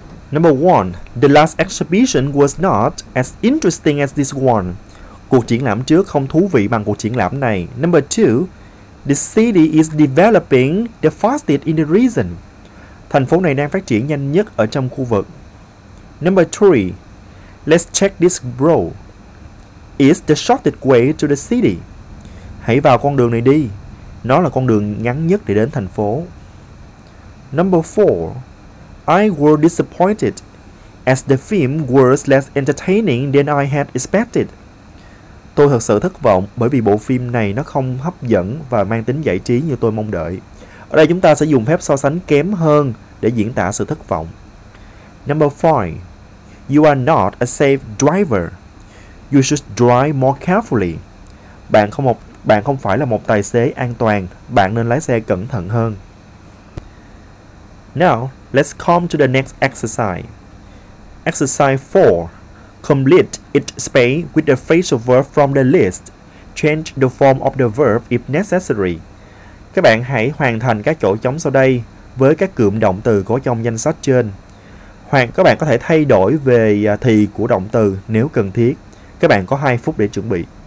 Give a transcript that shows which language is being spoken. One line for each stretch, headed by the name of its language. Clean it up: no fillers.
English: Number 1. The last exhibition was not as interesting as this one.
Vietnamese: Cuộc triển lãm trước không thú vị bằng cuộc triển lãm này.
English: Number 2. The city is developing the fastest in the region.
Vietnamese: Thành phố này đang phát triển nhanh nhất ở trong khu vực.
English: Number 3. Let's check this road. It's the shortest way to the city.
Vietnamese: Hãy vào con đường này đi. Nó là con đường ngắn nhất để đến thành phố.
English: Number 4. I was disappointed, as the film was less entertaining than I had expected.
Vietnamese: Tôi thật sự thất vọng bởi vì bộ phim này nó không hấp dẫn và mang tính giải trí như tôi mong đợi. Ở đây chúng ta sẽ dùng phép so sánh kém hơn để diễn tả sự thất vọng.
English: Number 5. You are not a safe driver. You should drive more carefully.
Vietnamese: Bạn không phải là một tài xế an toàn. Bạn nên lái xe cẩn thận hơn.
English: Now, let's come to the next exercise. Exercise 4. Complete each space with the phrasal verb from the list. Change the form of the verb if necessary.
Vietnamese: Các bạn hãy hoàn thành các chỗ trống sau đây với các cụm động từ có trong danh sách trên. Các bạn có thể thay đổi về thì của động từ nếu cần thiết. Các bạn có 2 phút để chuẩn bị.